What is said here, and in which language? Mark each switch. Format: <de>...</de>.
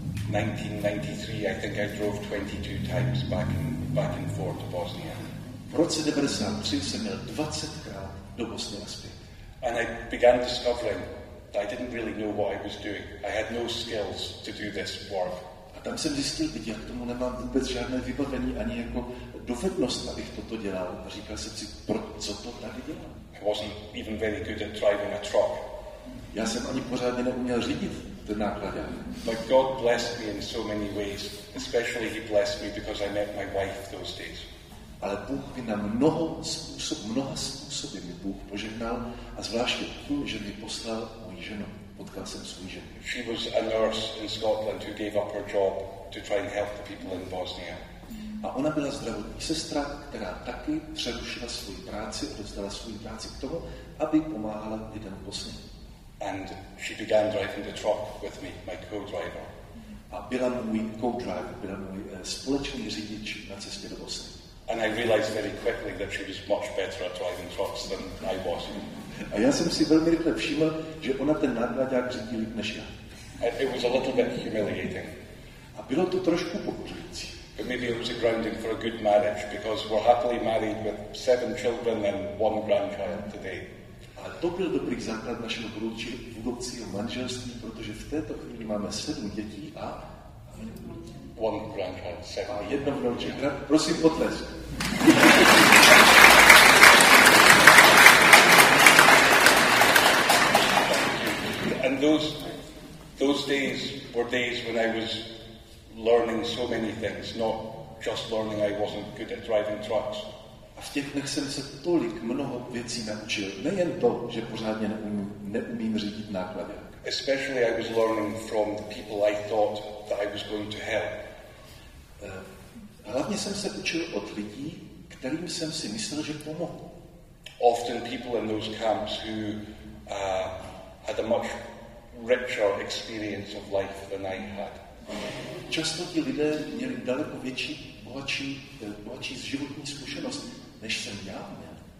<en>1993, I think I drove 22 times back and forth to Bosnia.</en> <cs>V roce 1993 jsem měl 20krát do Bosny a zpět.</cs> <en>And I began discovering that I didn't really know what I was doing. I had no skills to do this work.</en> <cs>A tam jsem zjistil, že já k tomu nemám vůbec žádné vybavení ani jako dovednost, abych toto dělal. A říkal jsem si, co to tady dělám?</cs> <en>I wasn't even very good at driving a truck.</en> <cs>Já jsem ani pořádně neuměl řídit ten náklad.</cs> <en>But God blessed me in so many ways, especially He blessed me because I met my wife those days.</en> <cs>Ale Bůh mi na mnoha způsoby mi Bůh požehnal a zvláště tím, že mi poslal moji ženu. Potkal jsem svou ženu.</cs> <en>She was a nurse in Scotland who gave up her job to try and help the people in Bosnia.</en> <cs>A ona byla zdravotní sestra, která taky přerušila svou práci, odevzdala svou práci k tomu, aby pomáhala lidem v Bosně.</cs> <en>And she began driving the truck with me, my co-driver.</en> <cs>A byla můj co-driver, byla můj společný řidič na cestě do Bosny.</cs> <en>And I realized very quickly that she was much better at driving trucks than I was.</en> <cs>A já jsem si velmi rychle všiml, že ona ten nákladák řídí líp než já.</cs> <en>It was a little bit humiliating.</en> <cs>A bylo to trošku pokořující.</cs> <en>But maybe it was a grounding for a good marriage because we're happily married with 7 children and 1 grandchild today.</en> <cs>A to byl dobrý základ našeho budoucího manželství, protože v této chvíli máme 7 dětí a</cs> <en>1 grandchild, 7.</en> <cs>A jedno vnouče. Prosím, potlesk.</cs> <en>And those days were days when I was learning so many things, not just learning I wasn't good at driving trucks.</en> <cs>A v těch dnech jsem se tolik mnoho věcí naučil. Nejen to, že pořádně neumím řídit náklady.</cs> <en>Especially I was learning from the people I thought that I was going to help.</en> <cs>Hlavně jsem se učil od lidí, kterým jsem si myslel, že pomohu.</cs> <en>often people in those camps who had a much richer experience of life than I had.</en> <cs>Často ti lidé měli daleko větší, bohatší životní zkušenost, než jsem já měl.</cs>